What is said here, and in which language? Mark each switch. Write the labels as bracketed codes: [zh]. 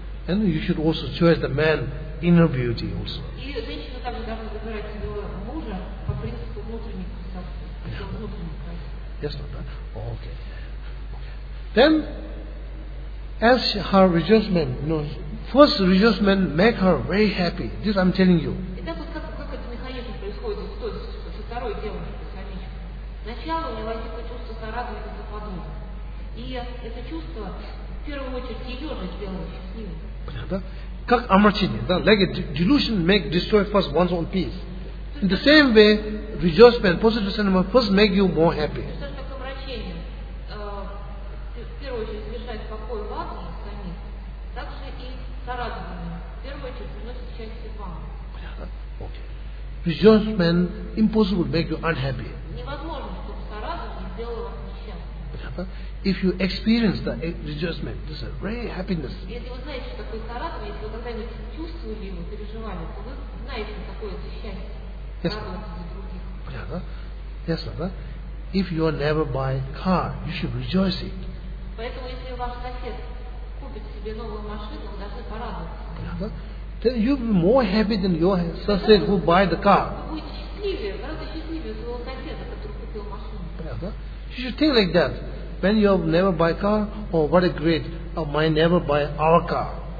[en] And you should also choose the man inner beauty also. [ru] И женщина также должна выбирать себе мужа по принципу внутренней красоты. Ясно, да? Okay. [en] Then, as her rejoicement, you know, first rejoicement make her very happy. This I'm telling you. [ru] Итак, вот как этот механизм происходит вот той, со второй девушкой, с Анечкой. Сначала у нее возникло чувство сорадования за подругу. И это чувство, в первую очередь, ее же сделало счастливой. Понятно? Как омрачение, да? [en] Like a delusion make destroy first one's own peace. In the same way, rejoicement, positive sentiment first make you more happy. [ru] Что же такое омрачение? В первую очередь лишает покой вас и самих. Так же и сорадование. В первую очередь приносит счастье вам. [en] Okay. Rejoicement impossible make you unhappy. [ru] Невозможно, чтобы сорадование сделало вас несчастным. Понятно? [en] If you experience that rejoicement, this is a very happiness. [ru] Если вы знаете, что такое сорадование, если вы когда-нибудь чувствовали его, переживали, то вы знаете, что такое это счастье. Понятно? Ясно, да? [en] If you never buy car, you should rejoice it. [ru] Поэтому, если ваш сосед купит себе новую машину, вы должны порадоваться. Понятно? [en] Then you'll be more happy than your [ru] сосед [en] who buy the car. [ru] Вы будете счастливее, гораздо счастливее своего соседа, который купил машину. Понятно? [en] You should think like that. When you have never buy car, oh, what a great, oh, my never buy our car.